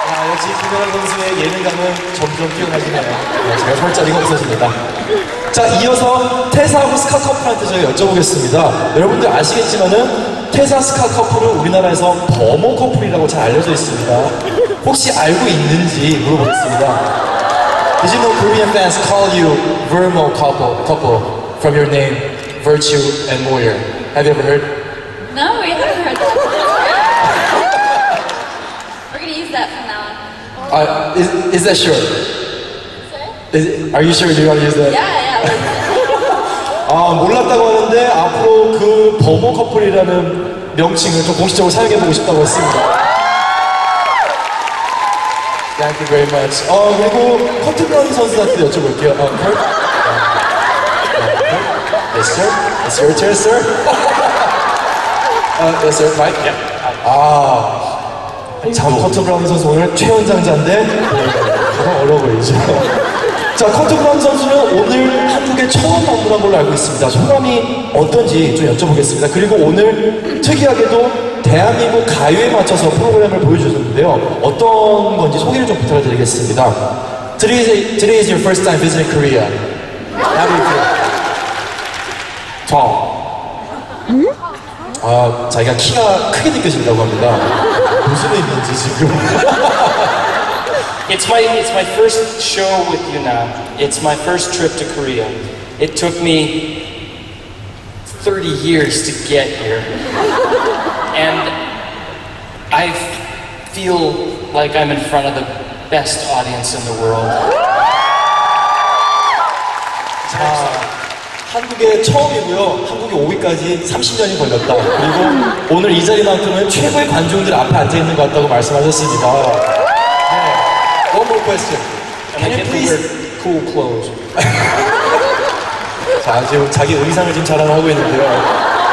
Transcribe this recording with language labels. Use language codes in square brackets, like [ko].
[ko] 야, 역시 김연아 선수의 예능감은 점점 뛰어나시네요. 제가 설 자리가 없어집니다. 자, 이어서 태사하고 스카 커플한테 제가 여쭤보겠습니다. 여러분들 아시겠지만은 태사 스카 커플은 우리나라에서 버모 커플이라고 잘 알려져 있습니다. 혹시 알고 있는지 물어보겠습니다. [en] Did you know Korean fans call you Vermo couple, from your name Virtue and Moyer? Have you ever heard? No, we haven't heard that. We're gonna use that from now on. Is that sure? Are you sure you want to use that? Yeah. [ko] 아, 몰랐다고 하는데 앞으로 그 버모 커플이라는 명칭을 좀 공식적으로 사용해 보고 싶다고 했습니다. [en] Thank you very much. [ko] 어, 그리고 커트런 선수한테 여쭤볼게요. [en] Yes, sir. It's your turn, sir. Yes, sir. Mike. Yeah. [ko] 아, 참 커트 브라운 선수 오늘 최연장자인데 너무 어려워 보이죠. 자, 커트 브라운 선수는 오늘 한국에 처음 방문한 걸로 알고 있습니다. 소감이 어떤지 좀 여쭤보겠습니다. 그리고 오늘 특이하게도 대한민국 가요에 맞춰서 프로그램을 보여주셨는데요. 어떤 건지 소개를 좀 부탁드리겠습니다. [en] Today is your first time visiting Korea. How do you feel? [ko] 좋아. 아, 자기가 키가 크게 느껴진다고 합니다. 무슨 의미인지 지금. [en] It's my first show with you now. It's my first trip to Korea. It took me 30 years to get here. And I feel like I'm in front of the best audience in the world. [ko] 자, 한국에 처음이고요. 한국에 오기까지 30년이 걸렸다고. 그리고 오늘 이 자리만큼은 최고의 관중들 앞에 앉아 있는 것 같다고 말씀하셨습니다. [en] One more question. Can you please cool clothes? [ko] 자, 지금 자기 의상을 지금 자랑하고 있는데요.